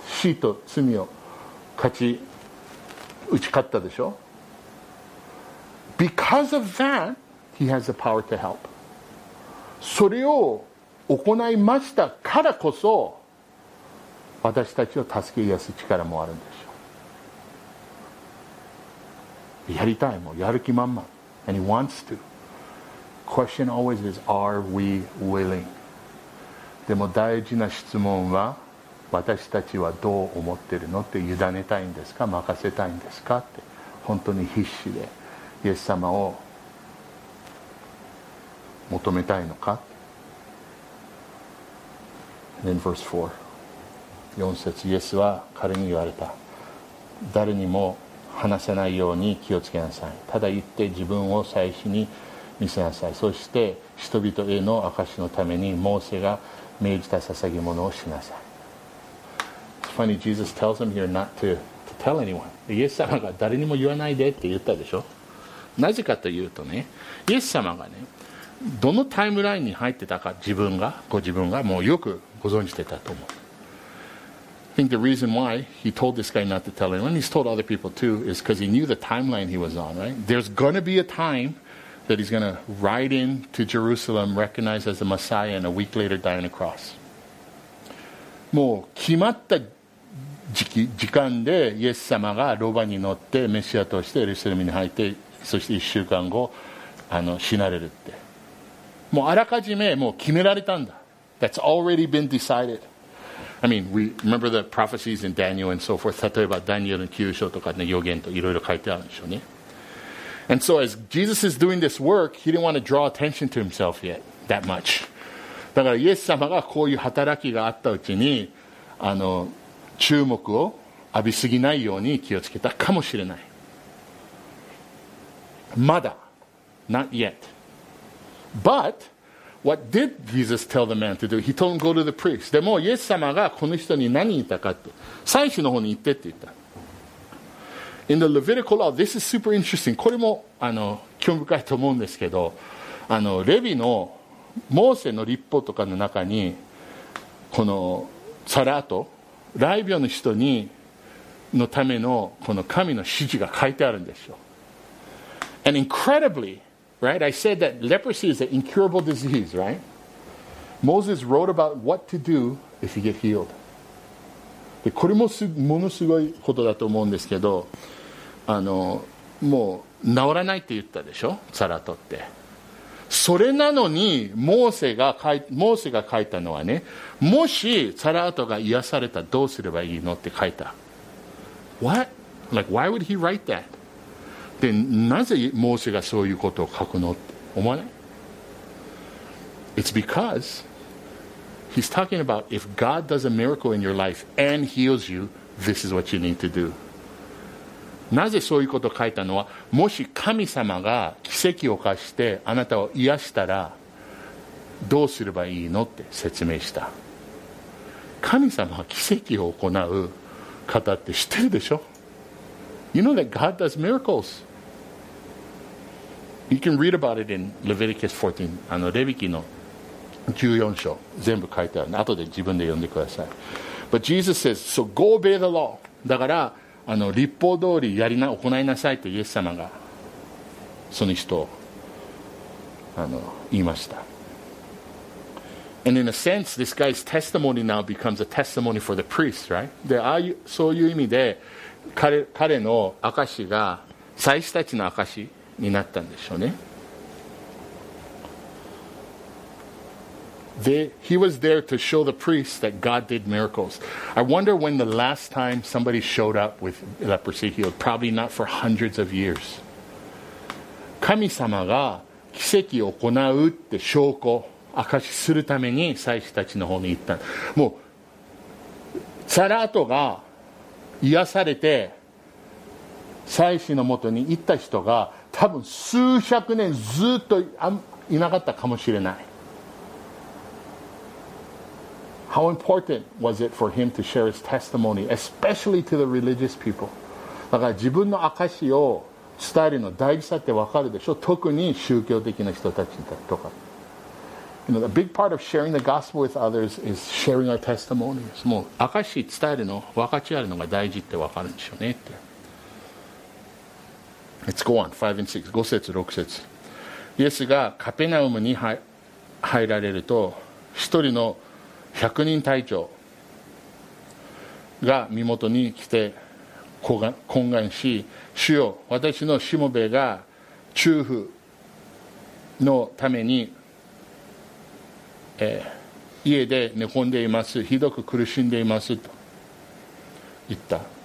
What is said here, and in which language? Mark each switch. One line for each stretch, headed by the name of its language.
Japanese: 死と罪を勝ち、打ち勝ったでしょ?
English: Because of that, he has the power to help.
Japanese: それを行いましたからこそ、私たちを助け癒す力もあるんでしょう。やりたい、もうやる気満々。
English: And he wants to. Question always is, are we willing?
Japanese: でも大事な質問は、私たちはどう思ってるのって委ねたいんですか、任せたいんですかって、本当に必死でイエス様を求めたいのか。
English: And then verse 4,
Japanese: 4節、イエスは彼に言われた。誰にも話せないように気をつけなさい。ただ言って自分を祭司に見せなさい。そして人々への証のためにモーセが命じた捧げ物をしなさい。
English: It's funny, Jesus tells him here not to tell anyone.
Japanese: イエス様が誰にも言わないでって言ったでしょ。なぜかというとね、イエス様がね、どのタイムラインに入ってたか、自分が、ご自分がもうよくご存じてたと思う。
English: I think the reason why he told this guy not to tell anyone, he's told other people too, is because he knew the timeline he was on, right? There's going to be a timeThat he's going to ride into Jerusalem, recognized as the Messiah, and a week later die on a cross.
Japanese: もう決まった時間でイエス様がロバに乗ってメシアとしてエルサレムに入って、そして1週間後死なれるって。もうあらかじめもう決められたんだ。
English: That's already been decided. I mean, we remember the prophecies in Daniel and so forth.
Japanese: 例えばダニエルの9章とかの予言といろいろ書いてあるんでしょうね。
English: And so as Jesus is doing this work, he didn't want to draw attention to himself yet that much.
Japanese: だからイエス様がこういう働きがあったうちに注目を浴びすぎないように気をつけたかもしれない。まだ。
English: Not yet. But what did Jesus tell the man to do? He told him go to the priest.
Japanese: でもイエス様がこの人に何言ったかって。祭司の方に行ってって言った。
English: In the Levitical law, this is super interesting.
Japanese: これも興味深いと思うんですけど、レビのモーセの律法とかの中に、このサラート、雷病の人にのためのこの神の指示が書いてあるんですよ。
English: And incredibly, right, I said that leprosy is an incurable disease, right? Moses wrote about what to do if you get healed.
Japanese: でこれもものすごいことだと思うんですけど、もう治らないって言ったでしょ、サラトって。それなのにモーセが書いたのはね、もしサラトが癒されたどうすればいいのって書いた。
English: What? Like, why would he write that?
Japanese: で、なぜモーセがそういうことを書くのって思わない？
English: It's becauseHe's talking about if God does a miracle in your life and heals you, this is what you need to do.
Japanese: なぜそういうことを書いたのは、もし神様が奇跡を犯してあなたを癒したらどうすればいいのって説明した。神様は奇跡を行う方って知ってるでしょ。
English: You know that God does miracles. You can read about it in Leviticus 14,
Japanese: レビ記の14章全部書いてある。後で自分で読んでください。
English: But Jesus says, so go obey the law.
Japanese: だから律法通りやりな、行いなさいとイエス様がその人を言いました。
English: And in a sense, this guy's testimony now becomes a testimony for the priest, right?
Japanese: で、ああいう、そういう意味で彼の証が祭司たちの証になったんでしょうね。
English: He was there to show the priest that God did miracles. I wonder when the last time somebody showed up with leprosy healed. Probably not for hundreds of years.
Japanese: 神様が奇跡を行うって証拠、証しするために祭司たちの方に行った。もう、サラートが癒されて祭司のもとに行った人が多分数百年ずっといなかったかもしれない。
English: How important was it for him to share his testimony, especially to the religious people?
Japanese: だから自分の証を伝えるの大事さってわかるでしょ、特に宗教的な人たちとか。
English: You know, a big part of sharing the gospel with others is sharing our testimonies.
Japanese: もう証し伝えるの、分かち合えるのが大事って分かるんでしょうねって。
English: Let's go on, 5 and 6,
Japanese: 5節、6節。イエスがカペナウムに入られると、一人の百人隊長が身元に来て懇願し、主よ、私のしもべが中府のために、家で寝込んでいます、ひどく苦しんでいますと言った。